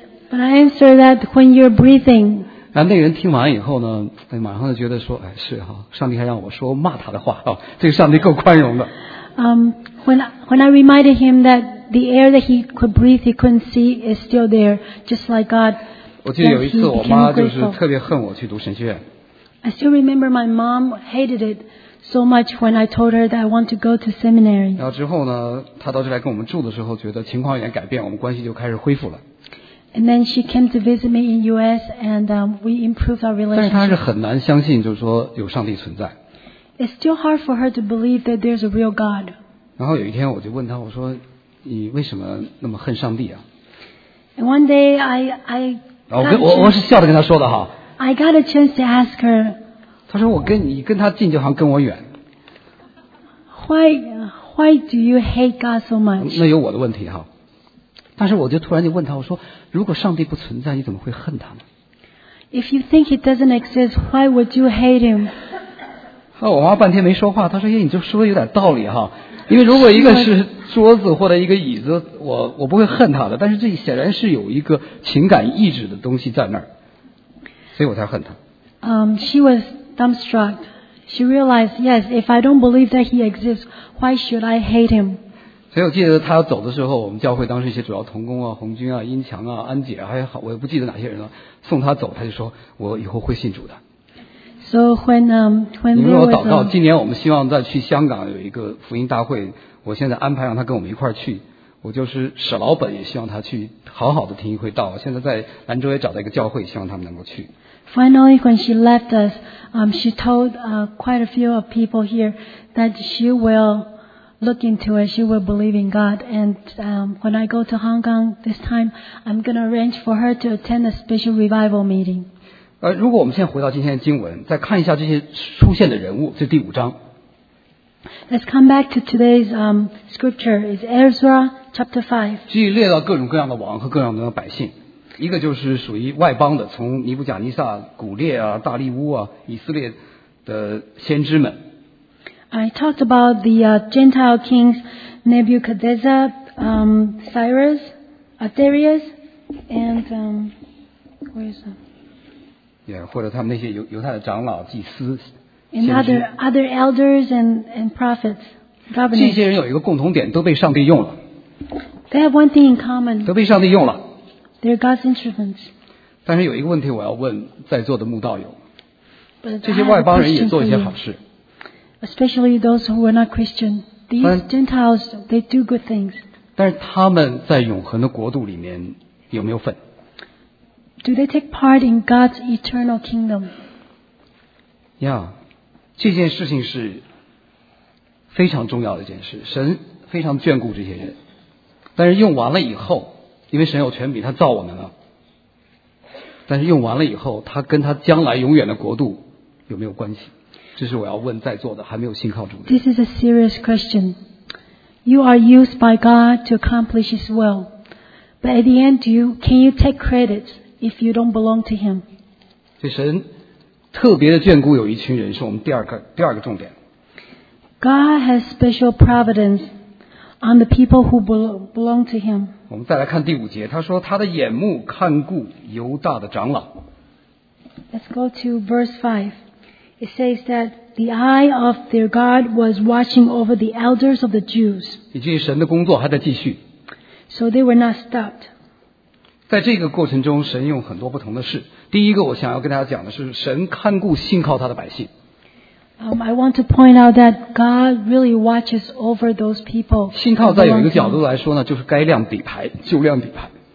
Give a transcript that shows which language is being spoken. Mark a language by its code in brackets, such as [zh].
[en] But I answer that when you're breathing. [zh] 那个人听完以后呢，马上就觉得说，哎，是哈，上帝还让我说骂他的话啊，这个上帝够宽容的。 [en] When I reminded him that the air that he could breathe, he couldn't see, is still there, just like God. [zh] 我记得有一次，我妈就是特别恨我去读神学院。 [en] I still remember my mom hated it so much when I told her that I want to go to seminary. [zh] 然后之后呢，她到这来跟我们住的时候，觉得情况有点改变，我们关系就开始恢复了。 [en] And then she came to visit me in U.S. and we improved our relationship. [zh] 但是她是很难相信，就是说有上帝存在。 [en] It's still hard for her to believe that there's a real God. [zh] 然后有一天我就问她，我说你为什么那么恨上帝啊 [en] ？And one day I [zh] 我是笑着跟她说的哈。 [en] I got a chance to ask her. [zh] 她说我跟你跟他近就好像跟我远。 [en] Why do you hate God so much? [zh] 那有我的问题哈。但是我就突然就问他，我说：“如果上帝不存在，你怎么会恨他呢 [en] ？”If you think he doesn't exist, why would you hate him？ [zh] 哦，我妈半天没说话，她说：“哎，你就说的有点道理哈。因为如果一个是桌子或者一个椅子，我不会恨他的。但是这显然是有一个情感意志的东西在那儿，所以我才恨他。 [en] She was dumbstruck. She realized, yes, if I don't believe that he exists, why should I hate him？ [zh] 所以我记得他要走的时候我们教会当时一些主要同工啊红军啊英强啊安姐还好我也不记得哪些人了送他走他就说我以后会信主的。 [en] So when [zh] 你们有祷告今年我们希望再去香港有一个福音大会我现在安排让他跟我们一块去我就是舍老本也希望他去好好的听一会道现在在兰州也找到一个教会希望他们能够去。 [en] Finally, when she left us, she told, quite a few of people here that she will look into it, she will believe in God. And when I go to Hong Kong this time, I'm going to arrange for her to attend a special revival meeting. [zh] 如果我们现在回到今天的经文，再看一下这些出现的人物，这第五章。 [en] Let's come back to today's scripture. It's Ezra chapter 5. [zh] 这里列了各种各样的王和各样的百姓，一个就是属于外邦的，从尼布甲尼撒、古列啊、大利乌啊、以色列的先知们。 [en] I talked about the Gentile kings Nebuchadnezzar, Cyrus, Darius, and where is that? [zh] Yeah, 或者他们那些犹太的长老、祭司、 [en] and other elders and prophets, governors. [zh] 这些人有一个共同点，都被上帝用了。 [en] They have one thing in common. [zh] 都被上帝用了。 [en] They're God's instruments. [zh] 但是有一个问题我要问在座的慕道友。 [en] But、 [zh] 这些外邦人也做一些好事。 [en] Especially those who are not Christian. These Gentiles, they do good things. [zh] 但是他们在永恒的国度里面有没有份？ [en] Do they take part in God's eternal kingdom? [zh] Yeah, 这件事情是非常重要的一件事，神非常眷顾这些人，但是用完了以后，因为神有权柄，他造我们了，但是用完了以后，他跟他将来永远的国度有没有关系？这是我要问在座的还没有信靠主的。 [en] This is a serious question. You are used by God to accomplish His will, but at the end, can you take credit if you don't belong to Him? [zh] 所以神特别的眷顾有一群人，是我们第二个重点。 [en] God has special providence on the people who belong to Him. [zh] 我们再来看第五节，他说他的眼目看顾犹大的长老。 [en] Let's go to verse 5. It says that the eye of their God was watching over the elders of the Jews. [zh] 以至于神的工作还在继续。 [en] So they were not stopped. [zh] 在这个过程中，神用很多不同的事。第一个我想要跟大家讲的是，神看顾信靠他的百姓。 [en] I want to point out that God really watches over those people. [zh] 信靠在有一个角度来说呢，就是该亮底牌，就亮底牌。